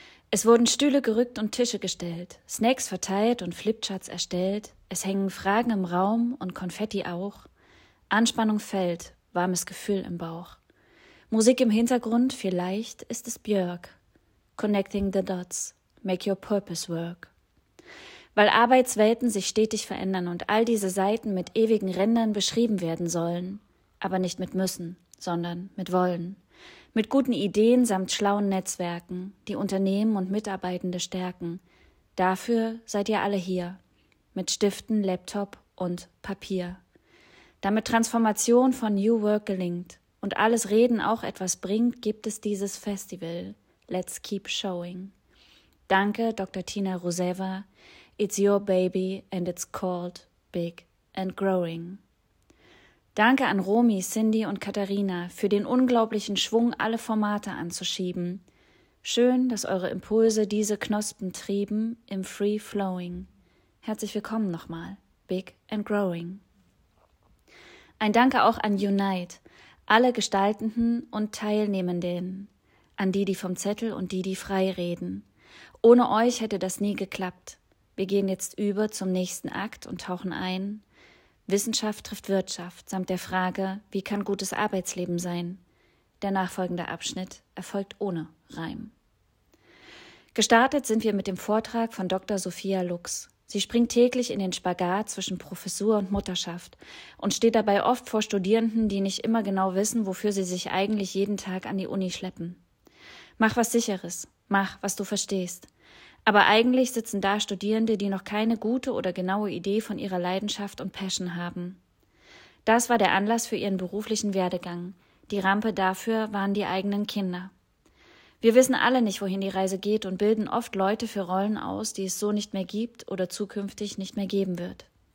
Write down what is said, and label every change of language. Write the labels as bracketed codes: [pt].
[de] Es wurden Stühle gerückt und Tische gestellt, Snacks verteilt und Flipcharts erstellt, es hängen Fragen im Raum und Konfetti auch, Anspannung fällt, warmes Gefühl im Bauch. Musik im Hintergrund, vielleicht ist es Björk. [en] Connecting the dots, make your purpose work. [de] Weil Arbeitswelten sich stetig verändern und all diese Seiten mit ewigen Rändern beschrieben werden sollen, aber nicht mit müssen, sondern mit wollen. Mit guten Ideen samt schlauen Netzwerken, die Unternehmen und Mitarbeitende stärken. Dafür seid ihr alle hier. Mit Stiften, Laptop und Papier. Damit Transformation von New Work gelingt und alles Reden auch etwas bringt, gibt es dieses Festival. [en] Let's keep showing. [de] Danke, [en] Dr. Tina Ruseva. It's your baby and it's called Big and Growing. [de] Danke an Romy, Cindy und Katharina für den unglaublichen Schwung, alle Formate anzuschieben. Schön, dass eure Impulse diese Knospen trieben im Free Flowing. Herzlich willkommen nochmal, Big and Growing. Ein Danke auch an Unite, alle Gestaltenden und Teilnehmenden, an die, die vom Zettel und die, die frei reden. Ohne euch hätte das nie geklappt. Wir gehen jetzt über zum nächsten Akt und tauchen ein. Wissenschaft trifft Wirtschaft, samt der Frage, wie kann gutes Arbeitsleben sein? Der nachfolgende Abschnitt erfolgt ohne Reim. Gestartet sind wir mit dem Vortrag von Dr. Sophia Lux. Sie springt täglich in den Spagat zwischen Professur und Mutterschaft und steht dabei oft vor Studierenden, die nicht immer genau wissen, wofür sie sich eigentlich jeden Tag an die Uni schleppen. Mach was Sicheres, mach, was du verstehst. Aber eigentlich sitzen da Studierende, die noch keine gute oder genaue Idee von ihrer Leidenschaft und Passion haben. Das war der Anlass für ihren beruflichen Werdegang. Die Rampe dafür waren die eigenen Kinder. Wir wissen alle nicht, wohin die Reise geht und bilden oft Leute für Rollen aus, die es so nicht mehr gibt oder zukünftig nicht mehr geben wird.